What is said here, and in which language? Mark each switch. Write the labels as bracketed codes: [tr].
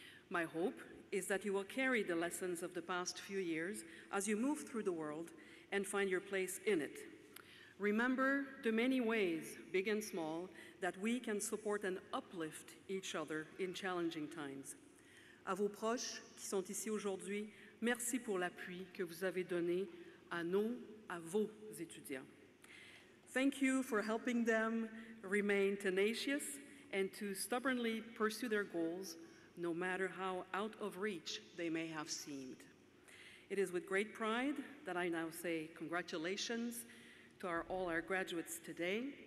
[en] My hope is that you will carry the lessons of the past few years as you move through the world and find your place in it. Remember the many ways, big and small, that we can support and uplift each other in challenging times. [fr] À vos proches qui sont ici aujourd'hui, merci pour l'appui que vous avez donné à nous, à vos étudiants. [en] Thank you for helping them remain tenacious and to stubbornly pursue their goals, no matter how out of reach they may have seemed. It is with great pride that I now say congratulations to all our graduates today.